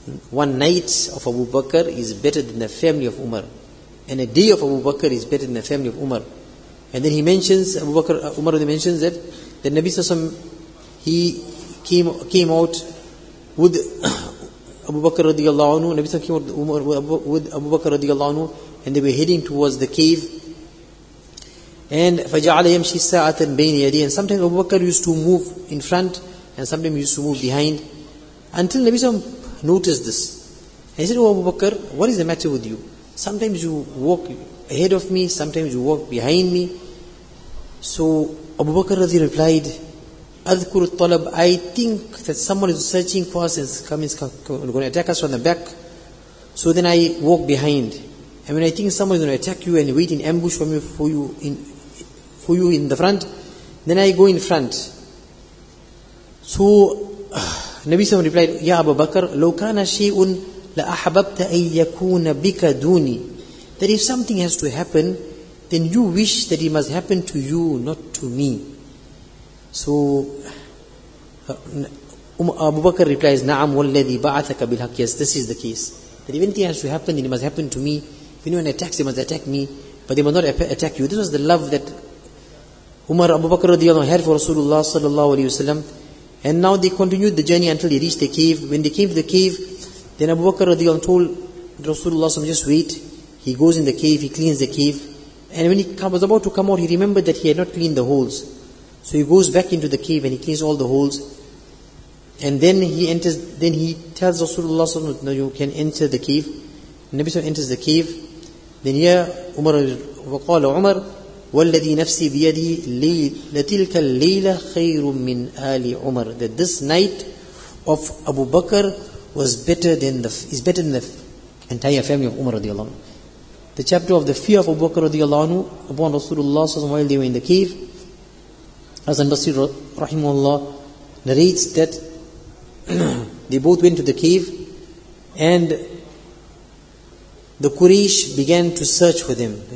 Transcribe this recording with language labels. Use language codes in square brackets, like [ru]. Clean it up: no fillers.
[en] One night of Abu Bakr is better than the family of Umar, and a day of Abu Bakr is better than the family of Umar. And then he mentions, Abu Bakr, Umar mentions that the Nabi Sassam, he came out with Abu Bakr radiallahu anhu, Nabi Sassam came out with Abu Bakr radiallahu anhu, and they were heading towards the cave. [ar] And فَجَعَلَ يَمْشِي سَاعَةً بَيْنِ يَدِيهِ. [en] And sometimes Abu Bakr used to move in front, and sometimes he used to move behind, until Nabi Sassam noticed this. And he said, oh Abu Bakr, what is the matter with you? Sometimes you walk ahead of me, sometimes you walk behind me. So Abu Bakr radiallahu replied, [ar] أَذْكُرُ الطَّلَبْ, [en] I think that someone is searching for us, and is going to attack us from the back. So then I walk behind. And when I think someone is going to attack you and wait in ambush for me, for you in the front, then I go in front. So Nabi Sallam replied, Ya Abu Bakr, [ar] لَوْ كَانَ شَيْءٌ لَأَحْبَبْتَ أَن يَكُونَ بِكَ دُونِي. [en] That if something has to happen, then you wish that it must happen to you, not to me. So Abu Bakr replies, [ar] Na'am walladhi ba'athaka bilhaq. [en] Yes, this is the case. That if anything has to happen, then it must happen to me. If anyone attacks, they must attack me, but they must not attack you. This was the love that Umar Abu Bakr radiallahu anhu had for Rasulullah sallallahu alayhi wasallam. And now they continued the journey until they reached the cave. When they came to the cave, then Abu Bakr radiallahu anhu told Rasulullah sallam, just wait. He goes in the cave, he cleans the cave. And when he was about to come out, he remembered that he had not cleaned the holes. So he goes back into the cave and he cleans all the holes. And then he enters, then he tells Rasulullah sallallahu alayhi wasallam, you can enter the cave. Nabi sallam enters the cave. Then here, Umar, [ar] وَقَالَ عُمَرْ وَالَّذِي نَفْسِي بِيَدِهِ لَتِلْكَ اللَّيْلَ خَيْرٌ مِّنْ آلِ عُمَرْ. [en] That this night of Abu Bakr was better than the entire family of Umar radiallahu anhu. The chapter of the fear of Abu Bakr radiallahu anhu upon Rasulullah while they were in the cave. As An-Basri rahimahullah narrates that they both went to the cave and the Quraysh began to search for them.